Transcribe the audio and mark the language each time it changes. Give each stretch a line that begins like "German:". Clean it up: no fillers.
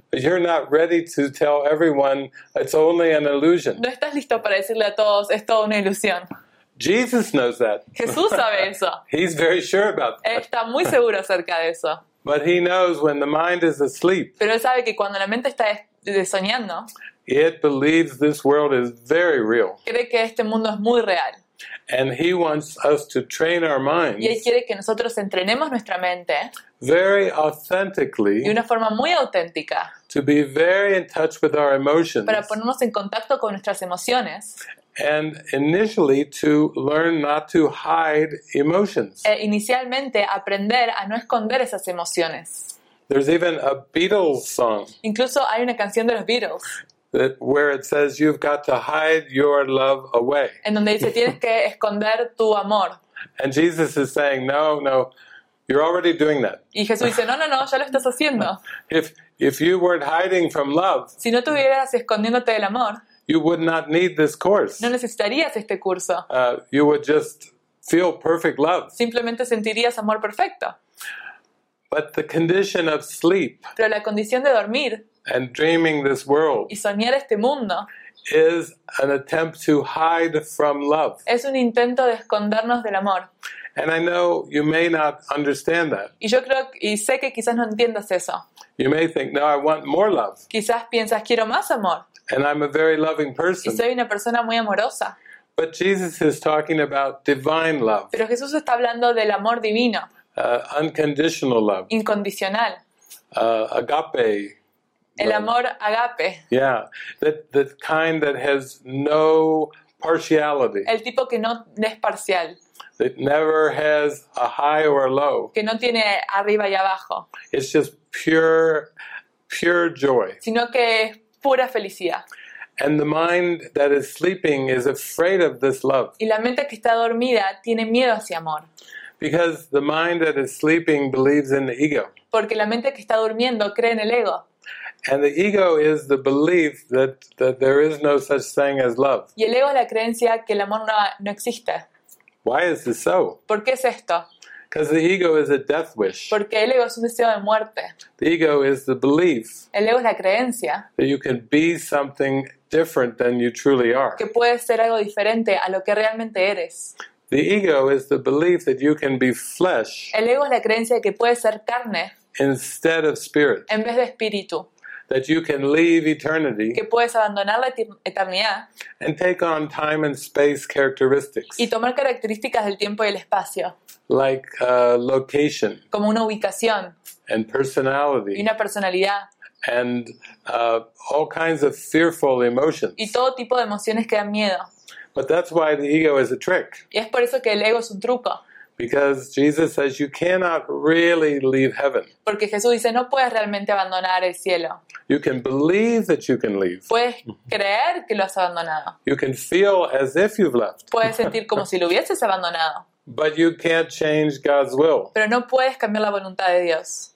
English: You're not ready to tell everyone it's only an illusion.
Spanish: No estás listo para decirle a todos es toda una ilusión.
English: Jesus knows that.
Spanish: Jesús sabe eso.
English: He's very sure about that.
Spanish: Está muy seguro acerca de eso.
English: But he knows when the mind is asleep.
Spanish: Pero él sabe que cuando la mente está soñando.
English: It believes this world is very real.
Spanish: Cree que este mundo es muy real.
English: And he wants us to train our minds.
Spanish: Y él quiere que nosotros entrenemos nuestra mente.
English: Very authentically.
Spanish: De una forma muy auténtica.
English: To be very in touch with our emotions.
Spanish: Para ponernos en contacto con nuestras emociones.
English: And initially to learn not to hide emotions.
Spanish: Inicialmente aprender a no esconder esas emociones.
English: There's even a Beatles song.
Spanish: Incluso hay una canción de los Beatles.
English: That where it says you've got to hide your love away.
Spanish: En donde dice tienes que esconder tu amor.
English: And Jesus is saying, no, no, you're already doing that.
Spanish: Y Jesús dice, no, ya lo estás haciendo.
English: If you weren't hiding from love.
Spanish: Si no estuvieras escondiéndote del amor.
English: You would not need this course.
Spanish: No necesitarías este curso.
English: You would just feel perfect love.
Spanish: Simplemente sentirías amor perfecto.
English: But the condition of sleep.
Spanish: Pero la condición de dormir.
English: And dreaming this world.
Spanish: Y soñar este mundo.
English: Is an attempt to hide from love.
Spanish: Es un intento de escondernos del amor.
English: And I know you may not understand that.
Spanish: Y yo creo y sé que quizás no entiendas eso.
English: You may think, no, I want more love.
Spanish: Quizás piensas quiero más amor.
English: And I'm a very loving person.
Spanish: Y soy una persona muy amorosa.
English: But Jesus is talking about divine love.
Spanish: Pero Jesús está hablando del amor divino.
English: Unconditional love.
Spanish: Incondicional.
English: Agape.
Spanish: El amor agape.
English: Yeah, the kind that has no partiality.
Spanish: El tipo que no es parcial.
English: That never has a high or a low.
Spanish: Que no tiene arriba y abajo.
English: It's just pure joy.
Spanish: Sino que es pura felicidad.
English: And the mind that is sleeping is afraid of this love.
Spanish: Y la mente que está dormida tiene miedo hacia amor.
English: Because the mind that is sleeping believes in the ego.
Spanish: Porque la mente que está durmiendo cree en el ego.
English: And the ego is the belief that there is no such thing as love.
Spanish: Y el ego es la creencia que el amor no existe.
English: Why is this so?
Spanish: ¿Por qué es esto?
English: Because the ego is a death wish.
Spanish: Porque el ego es un deseo de muerte.
English: The ego is the belief.
Spanish: El ego es la creencia.
English: That you can be something different than you truly are.
Spanish: Que puedes ser algo diferente a lo que realmente eres.
English: The ego is the belief that you can be flesh.
Spanish: El ego es la creencia de que puedes ser carne.
English: Instead of spirit.
Spanish: En vez de espíritu.
English: That you can leave eternity.
Spanish: Que puedes abandonar la eternidad.
English: And take on time and space characteristics.
Spanish: Y tomar características del tiempo y el espacio.
English: Like a location.
Spanish: Como una ubicación.
English: And personality.
Spanish: Y una personalidad.
English: And all kinds of fearful emotions.
Spanish: Y todo tipo de emociones que dan miedo.
English: But that's why the ego is a trick.
Spanish: Y es por eso que el ego es un truco.
English: Because Jesus says you cannot really leave heaven.
Spanish: Porque Jesús dice no puedes realmente abandonar el cielo.
English: You can believe that you can leave.
Spanish: Puedes creer que lo has abandonado.
English: You can feel as if you've left.
Spanish: Puedes sentir como si lo hubieses abandonado.
English: But you can't change God's will.
Spanish: Pero no puedes cambiar la voluntad de Dios.